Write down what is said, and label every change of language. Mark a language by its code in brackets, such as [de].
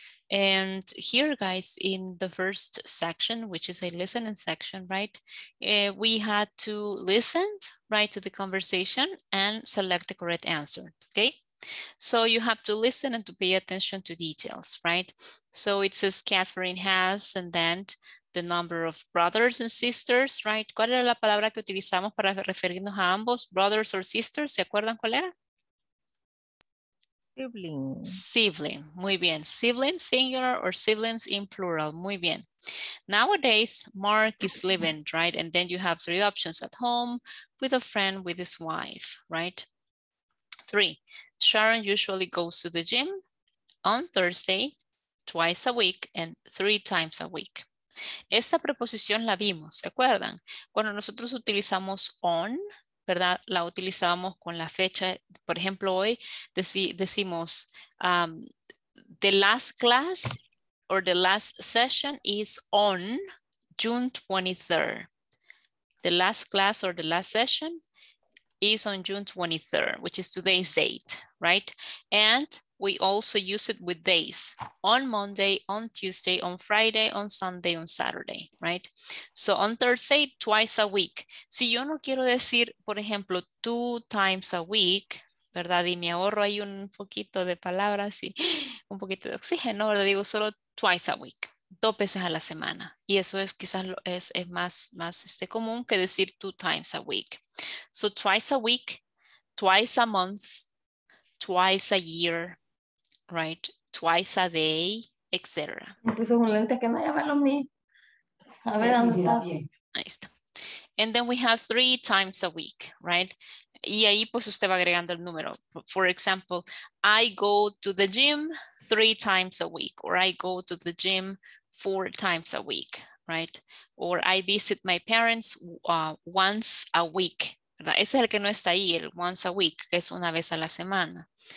[en] And here, guys, in the first section, which is a listening section, right, we had to listen, right, to the conversation and select the correct answer, okay? So you have to listen and to pay attention to details, right? So it says Catherine has, and then the number of brothers and sisters, right? [es] ¿Cuál era la palabra que utilizamos para referirnos a ambos, [en] brothers or sisters? [es] ¿Se acuerdan cuál era? [en] Sibling, [es] muy bien. [en] Sibling singular or siblings in plural, [es] muy bien. [en] Nowadays, Mark is living, right? And then you have three options: at home, with a friend, with his wife, right? Three, Sharon usually goes to the gym on Thursday, twice a week, and three times a week. [es] Esta preposición la vimos, ¿se acuerdan? Cuando nosotros utilizamos on, ¿verdad? La utilizábamos con la fecha. Por ejemplo, hoy decimos [en] the last class or the last session is on June 23rd. The last class or the last session is on June 23rd, which is today's date, right? And we also use it with days: on Monday, on Tuesday, on Friday, on Sunday, on Saturday, right? So on Thursday, twice a week. [es] Si yo no quiero decir, por ejemplo, [en] two times a week, [es] ¿verdad? Y me ahorro ahí un poquito de palabras y un poquito de oxígeno, ¿verdad? Digo solo [en] twice a week, [es] dos veces a la semana. Y eso es quizás es más común que decir [en] two times a week. So twice a week, twice a month, twice a year, right? Twice a day, etc. [es] Incluso un lente que no llame lo mío. A ver, bien, dónde está. Ahí está. [en] And then we have three times a week, right? [es] Y ahí pues usted va agregando el número. [en] For example, I go to the gym three times a week, or I go to the gym four times a week, right? Or I visit my parents once a week, ¿verdad? [es] Ese es el que no está ahí, el once a week, que es una vez a la semana.